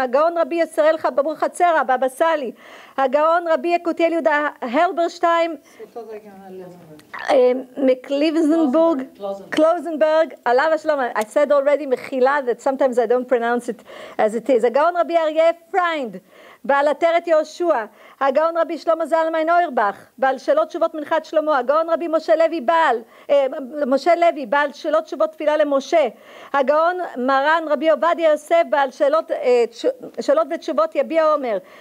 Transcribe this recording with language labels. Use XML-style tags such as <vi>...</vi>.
<he>הגאון רבי ישראל חברו חצר הבבא סאלי. הגאון רבי יקותיאל יהודה הלברשטיין מקליבזנבורג קלוזנברג, עליו השלום.</he> <en>I said already מחילה that sometimes I don't pronounce it as it is.</en> <he>הגאון רבי אריה פריינד בעל עטרת יהושע. הגאון רבי שלמה זלמן אוירבך בעל שאלות תשובות מנחת שלמה. הגאון רבי משה לוי בעל שאלות תשובות תפילה למשה. הגאון מרן רבי עובדיה יוסף בעל שאלות ותשובות יביע עומר.</he>